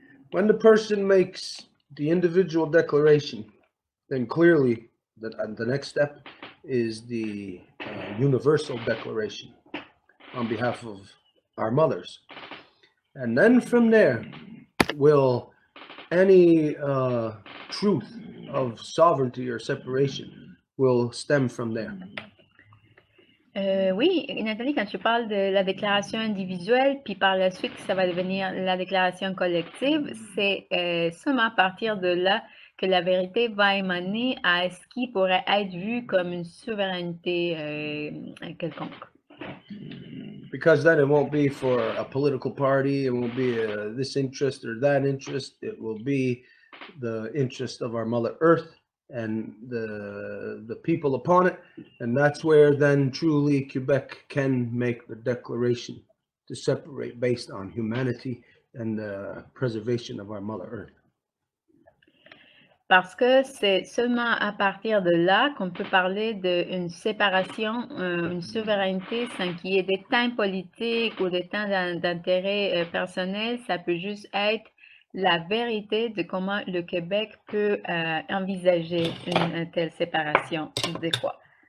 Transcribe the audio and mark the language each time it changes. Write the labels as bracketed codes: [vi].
[en] When the person makes the individual declaration, then clearly the next step is the universal declaration on behalf of our mothers. And then from there, will any truth of sovereignty or separation will stem from there. [fr] Oui, Nathalie, quand tu parles de la déclaration individuelle, puis par la suite, ça va devenir la déclaration collective, c'est seulement à partir de là que la vérité va émaner à ce qui pourrait être vu comme une souveraineté quelconque. [en] Because then it won't be for a political party, it won't be this interest or that interest, it will be the interest of our Mother Earth and the people upon it, and that's where then truly Quebec can make the declaration to separate based on humanity and the preservation of our Mother Earth. [fr] Parce que c'est seulement à partir de là qu'on peut parler d'une séparation, une souveraineté sans qu'il y ait des temps politiques ou des temps d'intérêt personnel. Ça peut juste être la vérité de comment le Québec peut envisager une telle séparation de quoi.